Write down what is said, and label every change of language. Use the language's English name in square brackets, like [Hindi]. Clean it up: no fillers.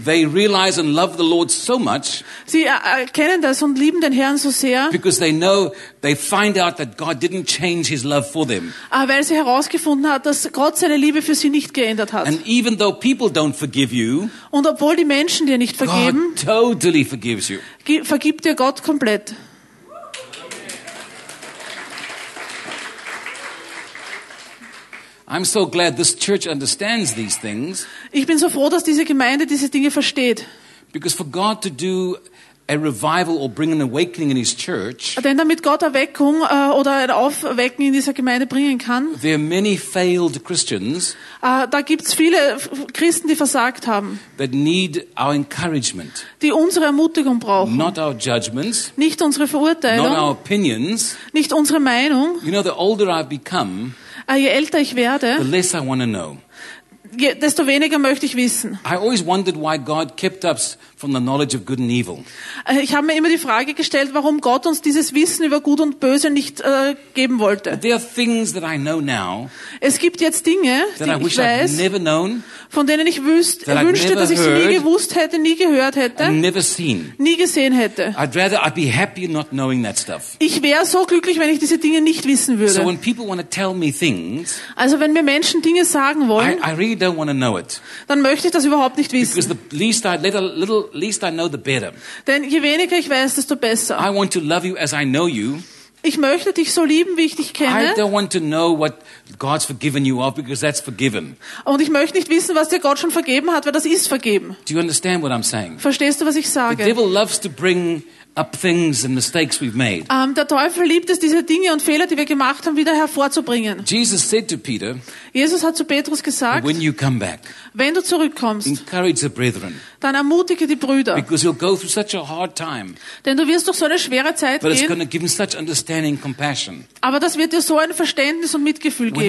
[English] They realize and love the Lord so much. [German] Sie erkennen das und lieben den Herrn so sehr. [English] Because they know, they find out that God didn't change his love for them. [German] Weil sie herausgefunden hat, dass Gott seine Liebe für sie nicht geändert hat. [English] And even though people don't forgive you. [German] Und obwohl die Menschen dir nicht vergeben. [English] God totally forgives you. [German] Vergibt dir Gott komplett. [English] I'm so glad this church understands these things. [German] Ich bin so froh, dass diese Gemeinde diese Dinge versteht. [English] Because for God to do a revival or bring an awakening in his church. [German] Denn damit Gott Erweckung oder ein Aufwecken in dieser Gemeinde bringen kann. [English] There are many failed Christians. [German] Da gibt's viele Christen, die versagt haben. [English] That need our encouragement. [German] Die unsere Ermutigung brauchen. [English] Not our judgments. [German] Nicht unsere Verurteilung. [English] Not our opinions. [German] Nicht unsere Meinung. [English] You know, the older I've become. [German] Je älter ich werde, [English] the less I want to know. [German] Desto weniger möchte ich wissen. [English] I always wondered why God kept us from the knowledge of good and evil. [German] Ich habe mir immer die Frage gestellt, warum Gott uns dieses Wissen über Gut und Böse nicht geben wollte. [English] But there are things that I know now. [German] Es gibt jetzt Dinge, [English] that [German] die ich weiß, [English] never known, [German] von denen ich wünschte, dass ich sie nie gewusst hätte, nie gehört hätte, [English] never seen. [German] Nie gesehen hätte. [English] I'd rather I'd be happy not knowing that stuff. [German] Ich wäre so glücklich, wenn ich diese Dinge nicht wissen würde. [English] So when people want to tell me things, [German] also wenn mir Menschen Dinge sagen wollen, [English] I really don't want to know it. [German] Dann möchte ich das überhaupt nicht wissen. [English] Because the least I let a little least I know the better. [German] Denn je weniger ich weiß, desto besser. [English] I want to love you as I know you. [German] Ich möchte dich so lieben, wie ich dich kenne. [English] I don't want to know what God's forgiven you of because that's forgiven. [German] Und ich möchte nicht wissen, was dir Gott schon vergeben hat, weil das ist vergeben. [English] Do you understand what I'm saying? [German] Verstehst du, was ich sage? [English] The devil loves to bring up things and mistakes we've made. [German] Der Teufel liebt es, diese Dinge und Fehler, die wir gemacht haben, wieder hervorzubringen. [English] Jesus said to Peter. [German] Jesus hat zu Petrus gesagt. [English] When you come back. [German] Wenn du zurückkommst. [English] Encourage the brethren. [German] Dann ermutige die Brüder. [English] Because you'll go through such a hard time. [German] Denn du wirst durch so eine schwere Zeit [English] but [German] gehen. [English] But it's going to give him such understanding and compassion. [German] Aber das wird dir so ein Verständnis und Mitgefühl geben.